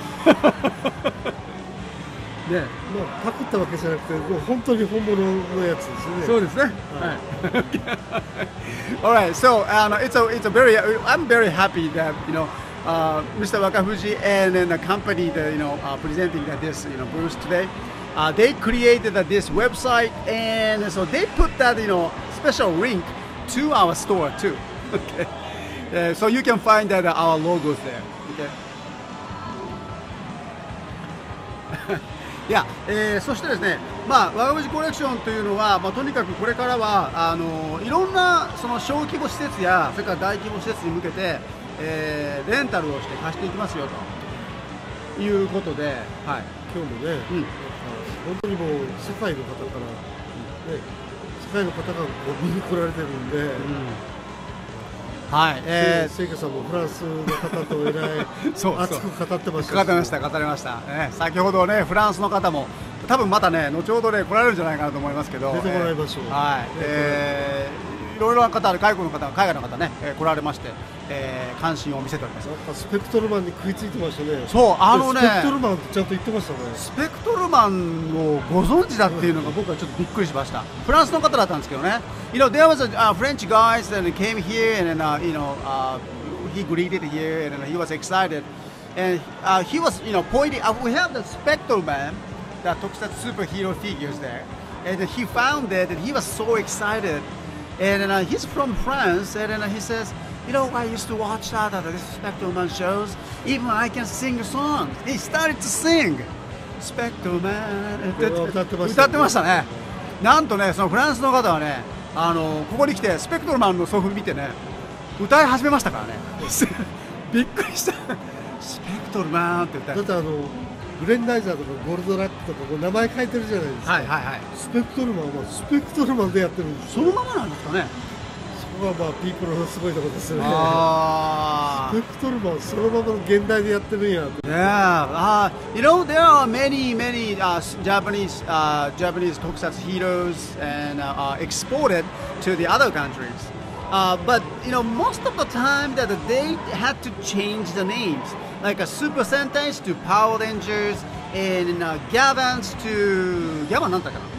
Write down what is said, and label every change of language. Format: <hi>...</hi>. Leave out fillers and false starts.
<ja>ね、もうパクったわけじゃなくて、もう本当に本物のやつですね。そうですね。はい。</ja> <en>Alright, so it's a very, I'm very happy that you know, Mr. Wakafuji and the company that you know presenting that this you know booth today, they created that this website and so they put that you know special link to our store too. Okay, so you can find that our logos there. Okay.</en> <ja>いや、そしてですね、まあ、ワカフジコレクションというのは、まあ、とにかくこれからはいろんなその小規模施設やそれから大規模施設に向けて、レンタルをして貸していきますよということで、はい、今日もね、うん、本当にもう世界の方から、ね、世界の方が見に来られてるんで、うん、はい、スイカさんもフランスの方とえらい熱く語ってました。語りました、語りました、ね、先ほどね、フランスの方も多分またね、後ほどね、来られるんじゃないかなと思いますけど、出てもらいましょう、はい、いろいろな方、外国の方、海外の方ね、来られまして、関心を見せております。やっぱスペクトルマンに食いついてましたね。そう、あのね、スペクトルマンちゃんと言ってましたね。スペクトルマンをご存知だっていうのが僕はちょっとびっくりしました。フランスの方だったんですけどね。</ja> <en>You know, there was a French guy that came here and then, you know, he greeted here and then he was excited. And he was, you know, pointing, we have the Spectral Man, the 特撮 superhero figures there. And he found it and he was so excited. And then, he's from France, and then, he says, you know, I used to watch the Spectral Man shows, even I can sing a song. He started to sing. Spectral Man.</en> <ja>歌ってましたね。なんとね、そのフランスの方はね、あの、ここに来て、スペクトルマンの祖父見てね、歌い始めましたからね。びっくりした。スペクトルマンって歌って。だってあの、グレンダイザーとかゴールドラックとかこう名前書いてるじゃないですか。はいはいはい、スペクトルマンはスペクトルマンでやってるんですよ。そのままなんですかね。そこがまあピープルのすごいところですよね。あ、スペクトルマンそのままの現代でやってるんやって。</ja> <en>Yeah. You know, there are many, many Japanese 特撮 heroes and exported to the other countries. But, you know, most of the time that they had to change the names. Like a Super Sentai to Power Rangers and Gavans to Gavan,</en> <ja>なんだかな?</ja>